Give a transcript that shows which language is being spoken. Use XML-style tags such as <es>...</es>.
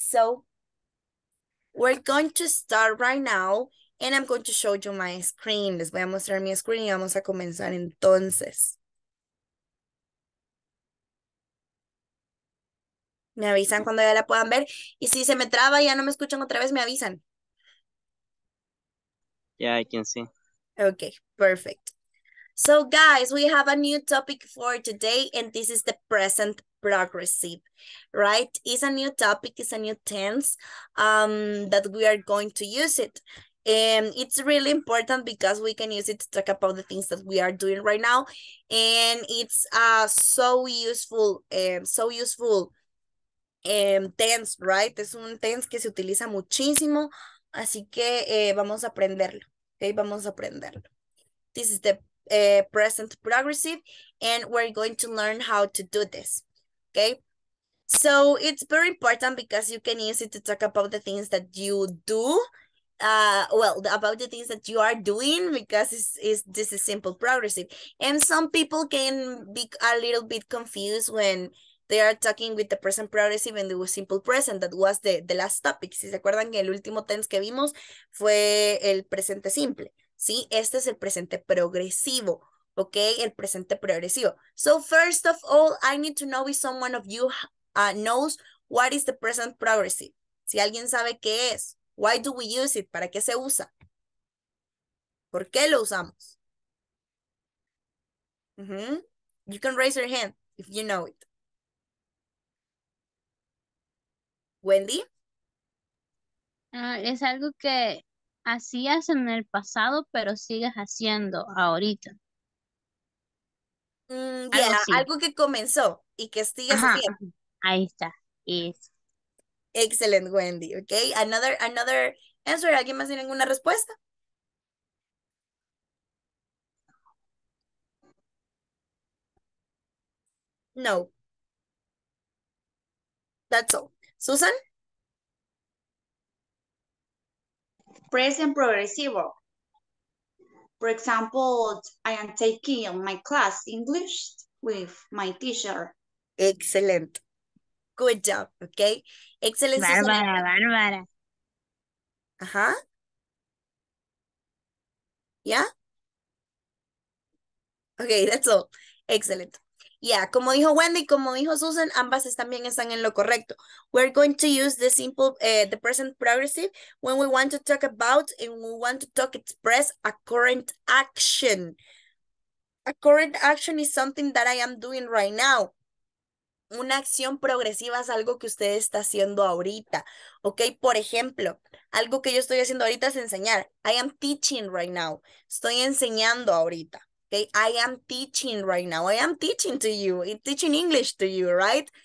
<en>So we're going to start right now and I'm going to show you my screen.</en> <es>Les voy a mostrar mi screen y vamos a comenzar entonces. Me avisan cuando ya la puedan ver. Y si se me traba y ya no me escuchan otra vez, me avisan.</es> <en>Yeah, I can see. Ok, perfect. So, guys, we have a new topic for today, and this is the present progressive, right? It's a new topic, it's a new tense that we are going to use it. And it's really important because we can use it to talk about the things that we are doing right now. And it's so useful. Tense, right?</en> <es>Es un tense que se utiliza muchísimo, así que vamos a aprenderlo, ¿ok? Vamos a aprenderlo.</es> <en>This is the present progressive, and we're going to learn how to do this, ¿ok? So it's very important because you can use it to talk about the things that you do, well, about the things that you are doing because this is simple progressive, and some people can be a little bit confused when they are talking with the present progressive and the simple present. That was the last topic.</en> <es>Si se acuerdan que el último tense que vimos fue el presente simple, ¿sí? Este es el presente progresivo, ¿ok? El presente progresivo.</es> <en>So, first of all, I need to know if someone of you knows what is the present progressive.</en> <es>Si alguien sabe qué es,</es> <en>why do we use it?</en> <es>¿Para qué se usa? ¿Por qué lo usamos?</es> <en>You can raise your hand if you know it. Wendy.</en> <es>Es algo que hacías en el pasado, pero sigues haciendo ahorita. Algo así. Algo que comenzó y que sigues Ajá, haciendo. ahí está. Eso.</es> <en>Excelente, Wendy. Ok. Another answer.</en> <es>¿Alguien más tiene alguna respuesta? No.</es> <en>That's all. Susan? Present progressivo. For example, I am taking my class English with my teacher. Excellent. Good job, okay? Excellent, Susan.</en> <es>Bárbara, bárbara. Ajá.</es> <en>Yeah. Okay, that's all. Excellent.</en> <es>Yeah, como dijo Wendy, como dijo Susan, ambas también están en lo correcto.</es> <en>We're going to use the simple, the present progressive when we want to talk about and we want to talk express a current action. A current action is something that I am doing right now.</en> <es>Una acción progresiva es algo que usted está haciendo ahorita, ¿ok? Por ejemplo, algo que yo estoy haciendo ahorita es enseñar.</es> <en>I am teaching right now.</en> <es>Estoy enseñando ahorita, ¿ok?</es> <en>I am teaching right now. I am teaching to you. I'm teaching English to you, right?</en>